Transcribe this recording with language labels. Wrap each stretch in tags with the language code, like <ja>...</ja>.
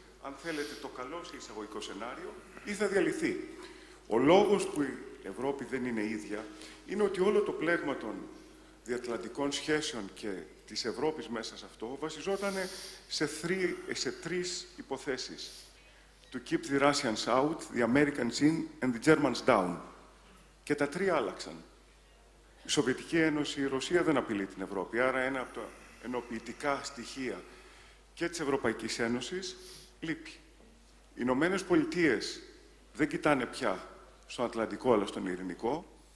<el>αν θέλετε, το καλό σε εισαγωγικό σενάριο ή θα διαλυθεί. Ο λόγος που η Ευρώπη δεν είναι ίδια είναι ότι όλο το πλέγμα των διατλαντικών σχέσεων και της Ευρώπης μέσα σε αυτό βασιζόταν σε τρεις υποθέσεις.</el> <en>To keep the Russians out, the Americans in and the Germans down.</en> <el>Και τα τρία άλλαξαν. Η Σοβιετική Ένωση, η Ρωσία δεν απειλεί την Ευρώπη. Άρα ένα από τα ενοποιητικά στοιχεία και της Ευρωπαϊκής Ένωσης λείπει. Οι Ηνωμένες Πολιτείες δεν κοιτάνε πια στον Ατλαντικό αλλά στον Ειρηνικό.</el>